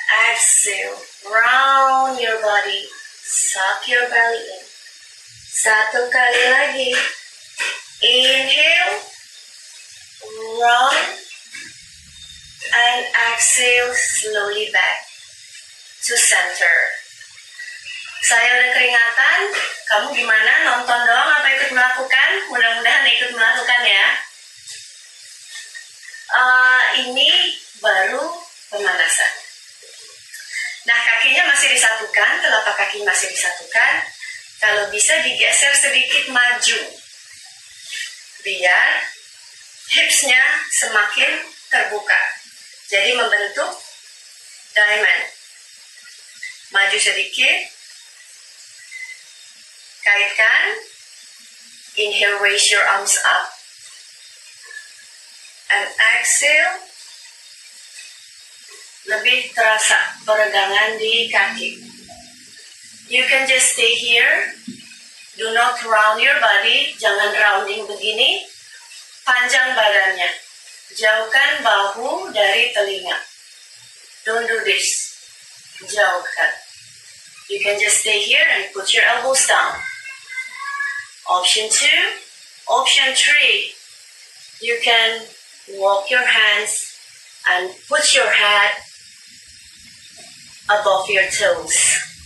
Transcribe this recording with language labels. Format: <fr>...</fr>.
<en>Exhale, round your body, suck your belly in.</en> <id>Satu kali lagi.</id> <en>Inhale, round, and exhale slowly back to center.</en> <id>Saya udah keringatan, kamu gimana? Nonton doang apa ikut melakukan? Mudah-mudahan ikut melakukan ya. Ini baru pemanasan. Nah, kakinya masih disatukan, telapak kaki masih disatukan. Kalau bisa digeser sedikit maju, biar hipsnya semakin terbuka. Jadi membentuk diamond. Maju sedikit. Kaitkan.</id> <en>Inhale, raise your arms up. And exhale.</en> <id>Lebih terasa peregangan di kaki.</id> <en>You can just stay here. Do not round your body.</en> <id>Jangan rounding begini. Panjang badannya. Jauhkan bahu dari telinga.</id> <en>Don't do this.</en> <id>Jauhkan.</id> <en>You can just stay here and put your elbows down. Option 2. Option 3. You can walk your hands and put your head above your toes.</en>